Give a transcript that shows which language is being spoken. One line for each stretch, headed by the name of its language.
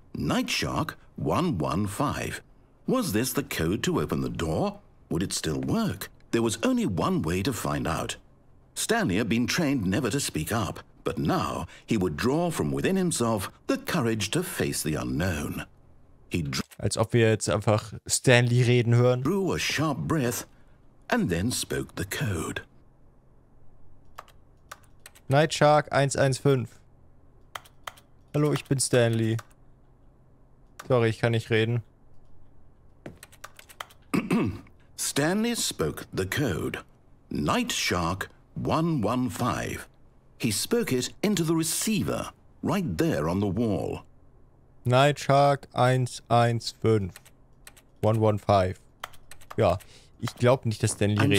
English: Nightshark 115. Was this the code to open the door? Would it still work? There was only one way to find out. Stanley had been trained never to speak up, but now he would draw from within himself the courage to face the unknown. He drew,
German: als ob wir jetzt einfach Stanley reden hören.
English: Drew a sharp breath and then spoke the code.
German: Nightshark 115. Hallo, ich bin Stanley. Sorry, ich kann nicht reden.
English: Stanley spoke the code. Nightshark 115. He spoke it into the receiver, right there on the wall. Nightshark 115. 115.
German: Ja, ich glaube nicht, dass Stanley reden kann.